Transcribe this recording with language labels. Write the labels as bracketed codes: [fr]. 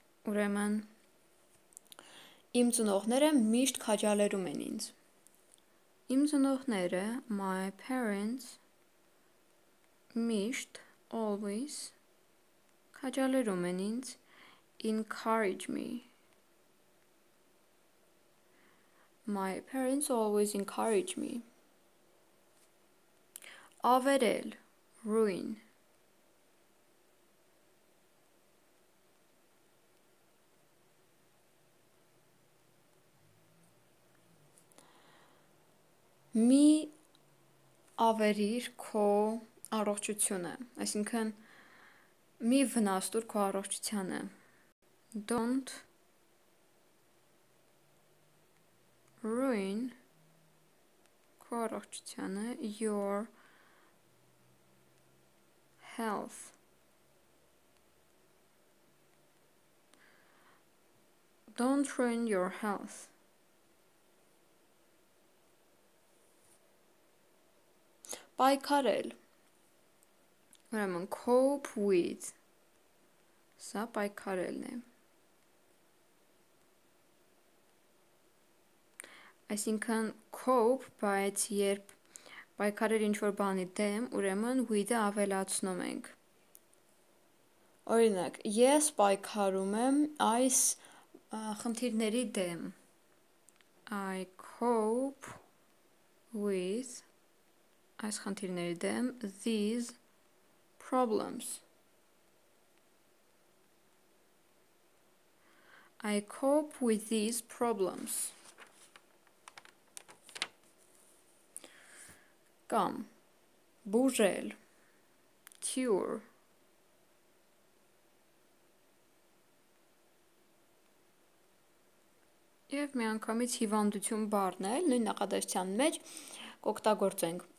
[hy] Ուրեմն, իմ ծնողները միշտ քաջալերում են ինձ։ Իմ ծնողները, [en] my parents, [hy] միշտ, [en] always, [hy] քաջալերում են ինձ, [en] encourage me. My parents always encourage me. [hy] Ավերել, [en] ruin. [hy] Մի ավերիր քո առողջությունը, այսինքն մի վնաստուր քո առողջությանը. [en] Don't ruin [hy] քո առողջությանը, [en] your health. Don't ruin your health. [hy] Պայքարել, ուրեմն, [en] cope with, [hy] սա պայքարելն է, այսինքն cope, բայց երբ պայքարել ինչ-որ բանի դեմ, ուրեմն with-ը ավելացնում ենք, օրինակ, ես պայքարում եմ այս խնդիրների դեմ, [en] I cope with, [hy] այս խնդիրների դեմ, [en] these problems. I cope with these problems. [hy] Կամ բուժել, [en] cure. [hy] Եվ մի անգամից հիվանդություն բառնել, նույն նախադասության մեջ կօգտագործենք.